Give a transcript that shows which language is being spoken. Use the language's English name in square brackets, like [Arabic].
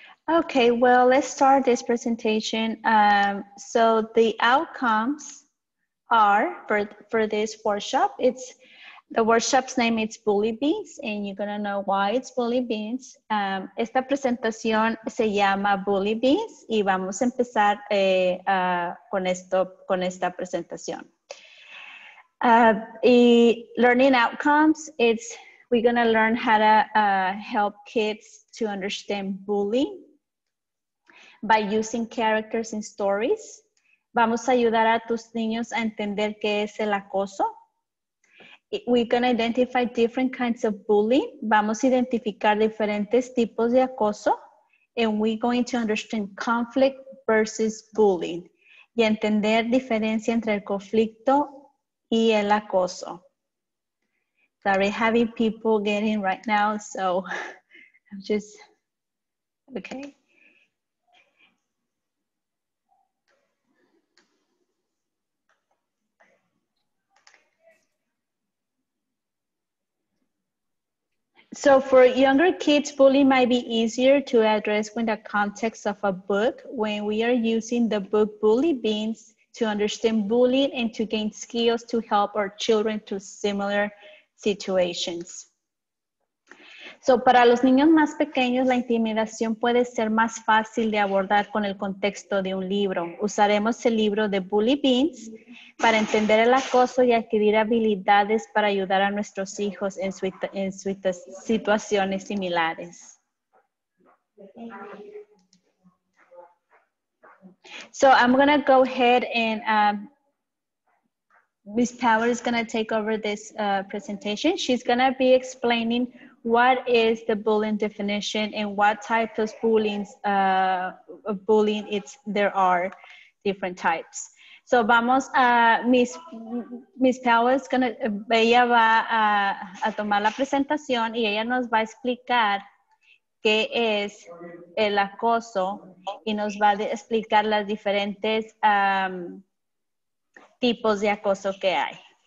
[English] Okay, well, let's start this presentation. So the outcomes are for this workshop. It's the workshop's name, it's Bully Beans, and you're gonna know why it's Bully Beans. [Spanish] Esta presentación se llama Bully Beans y vamos a empezar con esta presentación. [English] The learning outcomes, it's we're gonna learn how to help kids to understand bullying by using characters in stories. [Spanish] Vamos a ayudar a tus niños a entender qué es el acoso. [English] we're going to identify different kinds of bullying. [Spanish] Vamos a identificar diferentes tipos de acoso. [English] And we're going to understand conflict versus bullying. [Spanish] Y entender diferencia entre el conflicto y el acoso. [English] Sorry, having people getting right now, so I'm just, okay. So for younger kids, bullying might be easier to address in the context of a book. When we are using the book Bully Beans to understand bullying and to gain skills to help our children through similar situations. [Spanish] So para los niños más pequeños, la intimidación puede ser más fácil de abordar con el contexto de un libro. Usaremos el libro de Bully Beans para entender el acoso y adquirir habilidades para ayudar a nuestros hijos en su situaciones similares. [English] So I'm going to go ahead and Ms. Power is going to take over this presentation. She's going to be explaining what is the bullying definition and what type of bullying it's there are different types. [Spanish] So vamos a Ms. [English] Power is going to, [Spanish] ella va a tomar la presentación y ella nos va a explicar qué es el acoso y nos va a explicar las diferentes tipos de acoso que hay.